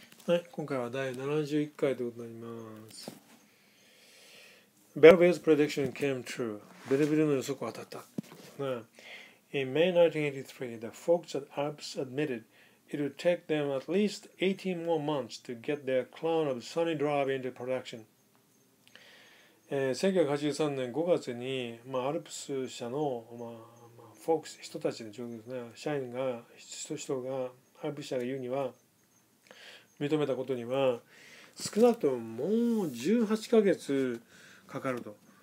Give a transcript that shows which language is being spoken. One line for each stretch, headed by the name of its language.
Japanese: はい、今回は第71回ということになります。
English: Belleville's prediction came true.
Japanese: ベルビルの予測は当たった。
English: In May 1983, the folks at Alps admitted it would take them at least 18 more months to get their clone of Sunny Drive into production.
Japanese: 1983年5月に、まあ、アルプス社の、まあまあ、フォークス人たちの状況ですね。社員が、人が、アルプス社が言うには、認めたことには、少なくとももう18ヶ月かかると。